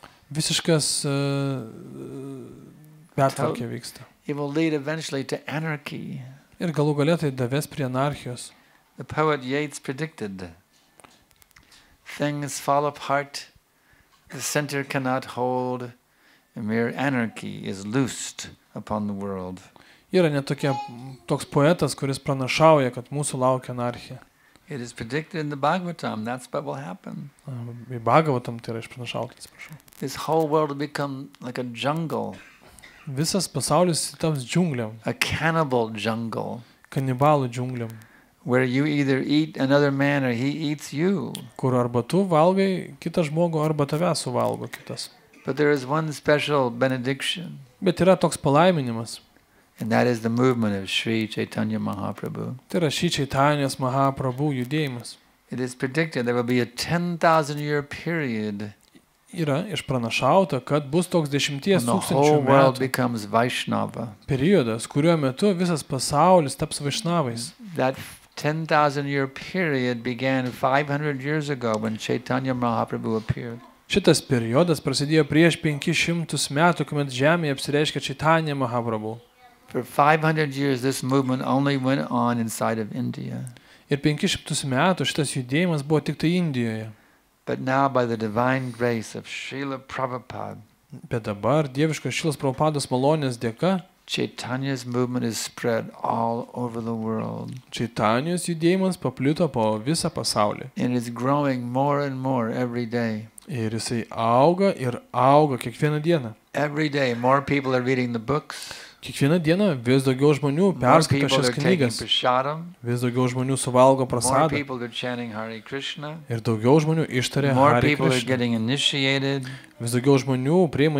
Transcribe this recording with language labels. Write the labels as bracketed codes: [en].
[lt] Visiškas pertvarkė vyksta. Ir galų galia tai davės prie anarchijos. [en] The poet Yeats predicted things fall apart, the center cannot hold, a mere anarchy is loosed upon the world. [lt] Yra net toks poetas, kuris pranašauja, kad mūsų laukia anarchija. [en] It is predicted in the Bhagavatam, that's what will happen. [lt] Bhagavatam tai yra išpranašauta, atsiprašau. [en] This whole world will become like a jungle. [lt] Visas pasaulis taps džiunglėm. [en] A cannibal jungle. [lt] Kanibalų džiunglėm. [en] Where you either eat another man or he eats you. [lt] Kur arba tu valgai kitą žmogų, arba tave suvalgo kitas. [en] But there is one special benediction. [lt] Bet yra toks palaiminimas. [en] And that is the movement of Sri Chaitanya Mahaprabhu. [lt] Tai yra Sri Chaitanya Mahaprabhu judėjimas. [en] It is predicted there will be a 10,000 year period. [lt] Yra išpranašauta, kad bus toks 10,000 metų periodas, kurio metu visas pasaulis taps vaišnavais. [en] That 10,000 year period began 500 years ago when Chaitanya Mahaprabhu appeared. [lt] Šitas periodas prasidėjo prieš 500 metų, kuomet žemėje apsireiškė Chaitanya Mahaprabhu. [en] For 500 years this movement only went on inside of India. [lt] Ir 500 metų šitas judėjimas buvo tik tai Indijoje. [en] But now by the divine grace of Srila Prabhupada. [lt] Bet dabar dieviškos Šrilos Prabhupados malonės dėka [en] Chaitanya's movement is spread all over the world. [lt] Chaitanyos judėjimas paplito po visą pasaulį. [en] And it's growing more and more every day. [lt] Ir jisai auga ir auga kiekvieną dieną. [en] Every day more people are reading the books. [lt] Kiekvieną dieną vis daugiau žmonių perskaito šias knygas. Vis daugiau žmonių suvalgo prasadą. Ir daugiau žmonių ištaria Hare Krishna. Vis daugiau žmonių priima